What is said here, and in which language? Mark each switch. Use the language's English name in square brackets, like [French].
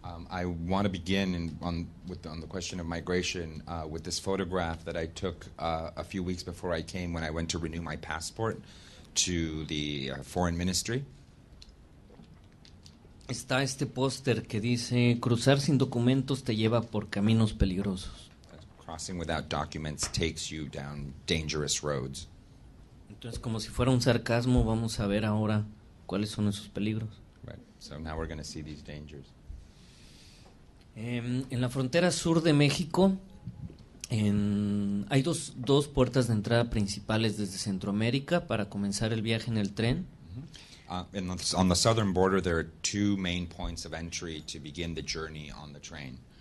[English] I want to begin on the question of migration with this photograph that I took a few weeks before I came, when I went to renew my passport to the Foreign Ministry. [Spanish] Está este póster que dice: cruzar sin documentos te lleva por caminos peligrosos. [English] Crossing without documents takes you down dangerous roads. [Spanish] Entonces, como si fuera un sarcasmo, vamos a ver ahora cuáles son esos peligros. [English] Right. So now we're going to see these dangers. [Spanish] En la frontera sur de México, hay dos puertas de entrada principales desde Centroamérica para comenzar el viaje en el tren. [English] On the southern border, there are two main points of entry to begin the journey on the train.